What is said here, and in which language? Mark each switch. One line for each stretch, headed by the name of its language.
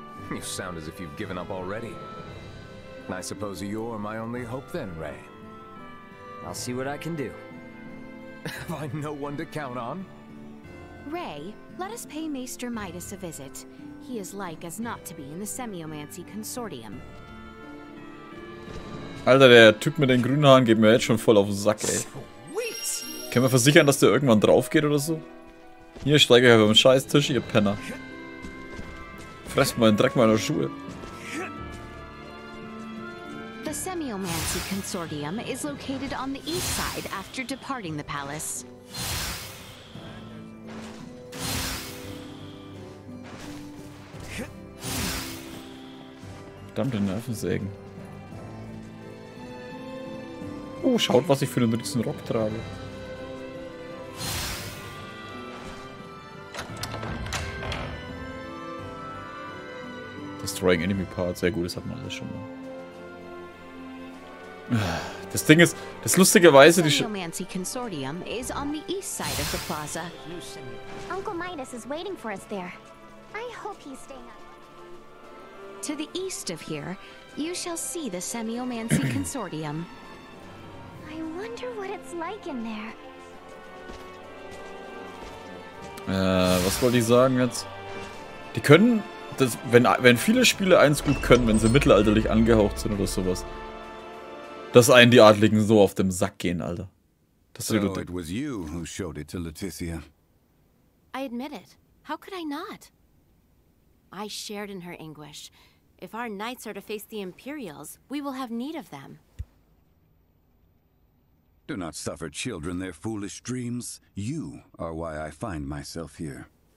English: You sound as if you've given up already. I suppose you're my only hope then, Ray. I'll see what I can do. Have I no one to count on? Ray, let us pay Maester Midas a visit. He is like as not to be in the Semiomancy Consortium.
German: Alter, der Typ mit den grünen Haaren geht mir jetzt schon voll auf den Sack, ey. Können wir versichern, dass der irgendwann drauf geht oder so? Hier, steige ich auf den Scheißtisch, ihr Penner. Fress mal den Dreck meiner Schuhe.
English: The Semiomancy Consortium is located on the east side after departing the palace.
German: Verdammte Nervensägen. Oh, schaut, was ich für einen riesen Rock trage.
English: Destroying Enemy Parts,
German: sehr gut, das hat man alles schon mal. Das Ding ist, das lustigerweise die
English: Semiomancy Consortium is on the east side of the plaza. Uncle Midas is waiting for us there. I hope he's staying up. To the east of here, you shall see the Semiomancy Consortium. I wonder what it's like in there.
German: Was wollte ich sagen jetzt? Die können das, wenn viele Spiele eins gut können, wenn sie mittelalterlich angehaucht sind oder sowas. Dass einen die Adligen so auf dem Sack gehen, Alter.
English: Das so it was you who showed it to Letizia. I admit it. How could I not? I shared in her anguish. If our knights are to face the Imperials, we will have need of them. Do not suffer children their foolish dreams. You are why I find myself here.